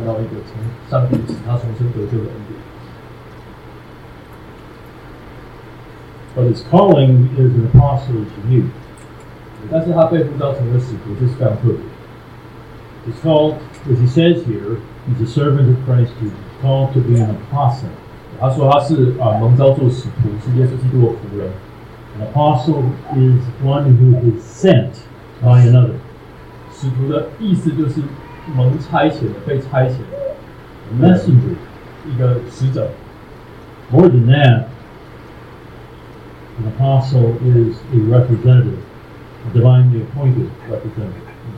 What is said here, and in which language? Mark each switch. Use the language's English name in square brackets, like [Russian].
[Chinese] 那我们常常会想说，就是我们得救经历好像也要像保罗一样这么的戏剧化，但其实不是。但是保罗的经历是让我们看到一个从上帝使他重生得救的恩典。 [English] But his calling is an apostle to you. [Chinese] 但是他被呼召成为使徒，这是非常特别。 [English] He's called, as he says here, he's a servant of Christ Jesus, called to be an apostle. [Chinese] 他说他是蒙召做使徒，是耶稣基督的仆人。 [English] An apostle is one who is sent by another. [Chinese] 使徒的意思就是蒙差遣的，被差遣。 [English] A messenger, [Chinese] 一个使者。 [English] More than that, an apostle is a representative, a divinely appointed representative.